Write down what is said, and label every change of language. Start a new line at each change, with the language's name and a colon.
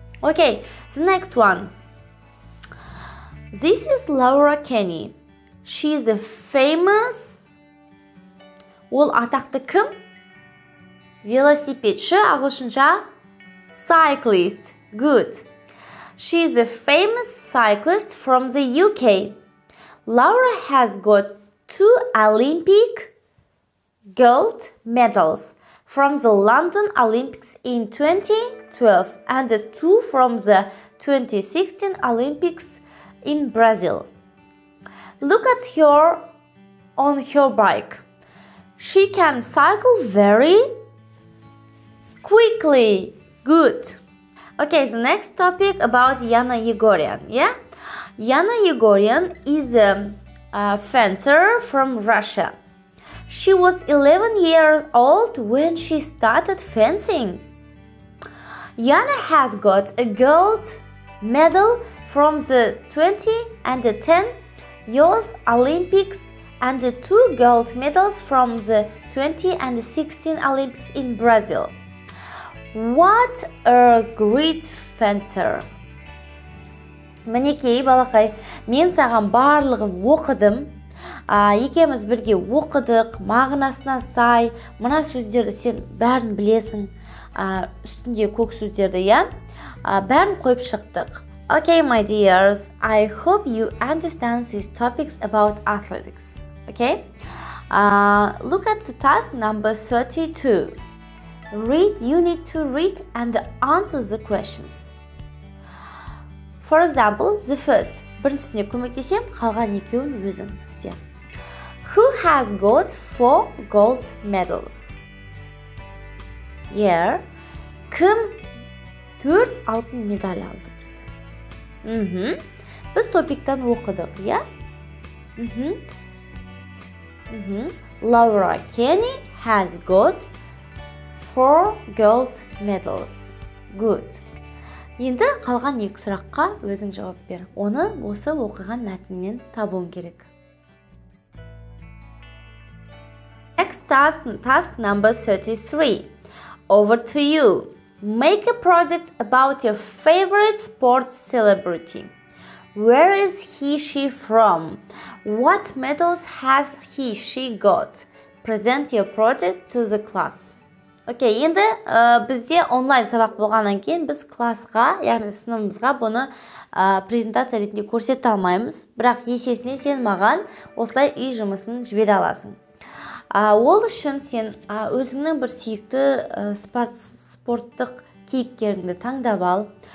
English: Okay, the next one. This is Laura Kenny. She is a famous...
Kazakh: Ол атақты кім? Велосипедші, ағылшынша cyclist.
English: Good. She is a famous cyclist from the UK. Laura has got 2 Olympic gold medals from the London Olympics in 2012 and 2 from the 2016 Olympics in Brazil. Look at her on her bike. She can cycle very quickly. Good. Okay, the next topic about Yana Yegorian. Yeah? Yana Yegorian is a fencer from Russia. She was 11 years old when she started fencing. Yana has got a gold medal from the 20 and the 10 Youth Olympics and 2 gold medals from the 20 and 16 Olympics in Brazil. What a great fencer!
Kazakh: Мінекей, балақай, мен саған барлығын оқыдым. Екеміз бірге оқыдық, мағынасына сай, мына сөздерді сен бәрін білесің, үстінде көк сөздерді, иә? Бәрін қойып шықтық.
English: Okay, my dears, I hope you understand these topics about athletics. Okay? Look at the task number 32. Read, you need to read and answer the questions. For example, the first. Біріншісіне көмектесем, қалған екеуін өзің істе. Who has got 4 gold medals? Yeah.
Kazakh: Кім 4 алтын медаль алды? Mm-hmm. Біз топиктан оқыдық, иә? Mm-hmm. Mm-hmm.
English: Laura Kenny has got 4 gold medals. Good.
Kazakh: Енді қалған екі сұраққа өзің жауап бер. Оны осы оқыған мәтіннен табуың керек.
English: Task number 33. Over to you. Make a project about your favorite sports celebrity. Where is he she from? What medals has he she got? Present your project to the class.
Kazakh: Okay, енді бізде онлайн сабақ болғаннан кейін біз класқа, яғни сыныбымызға бұны презентация ретінде көрсете алмаймыз. Бірақ есесіне сен маған осылай үй жұмысын жібере аласың. Ол үшін сен өзіңнің бір сүйікті спорттық кейіпкеріңді таңдап ал.